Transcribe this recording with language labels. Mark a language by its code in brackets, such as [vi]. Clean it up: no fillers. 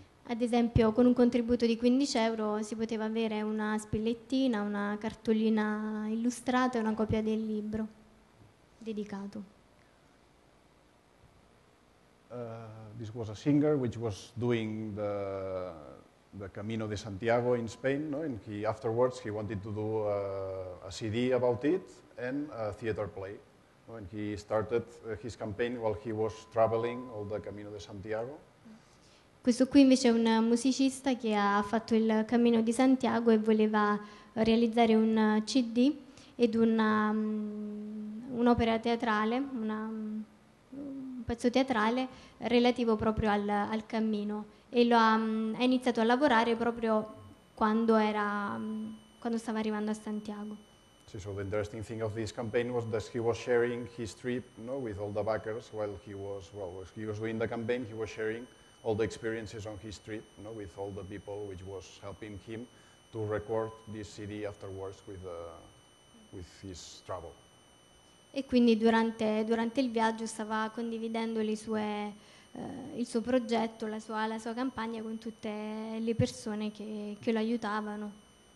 [it] ad esempio con un contributo di 15 euro si poteva avere una spillettina, una cartolina illustrata e una copia del libro dedicato. [en] This was a singer which was doing the Camino de Santiago in Spain, no? And he afterwards he wanted to do a CD about it and a theater play. No? And he started his campaign while he was traveling all the Camino de Santiago. [it] Questo qui invece è un musicista che ha fatto il Camino di Santiago e voleva realizzare un CD ed un'opera teatrale, un pezzo teatrale relativo proprio al cammino. E lo ha iniziato a lavorare proprio quando stava arrivando a Santiago. [en] Sì, so the interesting thing of this campaign was that he was sharing his trip, no, with all the backers while he was doing the campaign. He was sharing all the experiences on his trip, no, with all the people which was helping him to record this CD afterwards with his travel. [it] E quindi durante il viaggio stava condividendo le sue il suo progetto, la sua campagna con tutte le persone che lo aiutavano.